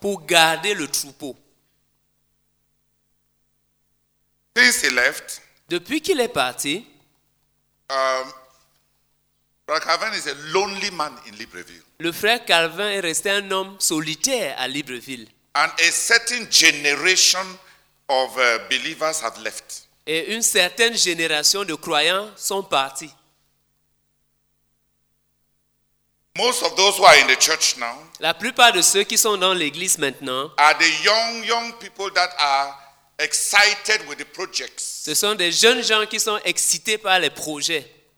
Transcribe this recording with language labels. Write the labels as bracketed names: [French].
[French] Pour garder le troupeau. [English] Since he left. [French] Depuis qu'il est parti. [English] Brother Calvin is a lonely man in Libreville. [French] Le frère Calvin est resté un homme solitaire à Libreville. [English] And a certain generation of believers have left. [French] Et une certaine génération de croyants sont partis. [English] Most of those who are in the church now. [French] La plupart de ceux qui sont dans l'église maintenant. [English] Are the young people that are excited with the projects. [French] Ce sont des jeunes gens qui sont excités par les projets.